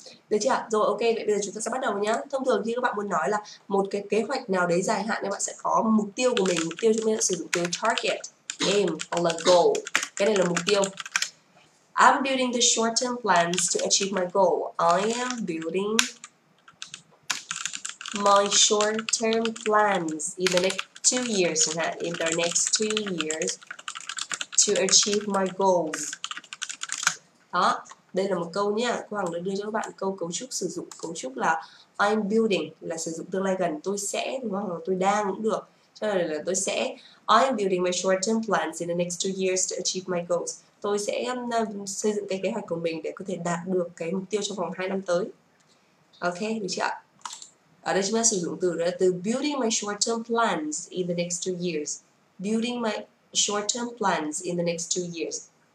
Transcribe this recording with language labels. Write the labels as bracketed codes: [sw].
[vi] Được chưa? Rồi ok, vậy bây giờ chúng ta sẽ bắt đầu nhé. Thông thường khi các bạn muốn nói là một cái kế hoạch nào đấy dài hạn, các bạn sẽ có mục tiêu của mình. Mục tiêu chúng mình sẽ sử dụng từ target, aim, or là goal. Cái này là mục tiêu. [en] I'm building the short-term plans to achieve my goal. I am building my short-term plans in the next 2 years. In the next 2 years to achieve my goals. [vi] Đó. Đây là một câu nhé, cô Hằng đã đưa cho các bạn câu cấu trúc sử dụng. Cấu trúc là I'm building, là sử dụng tương lai gần. Tôi sẽ, đúng không? Tôi đang cũng được. Cho nên là tôi sẽ. [en] I'm building my short-term plans in the next 2 years to achieve my goals. [vi] Tôi sẽ xây dựng cái kế hoạch của mình để có thể đạt được cái mục tiêu trong vòng 2 năm tới. Ok, được chưa? Ở đây chúng ta sử dụng từ đó là từ [en] building my short-term plans in the next 2 years. Building my short-term plans in the next 2 years.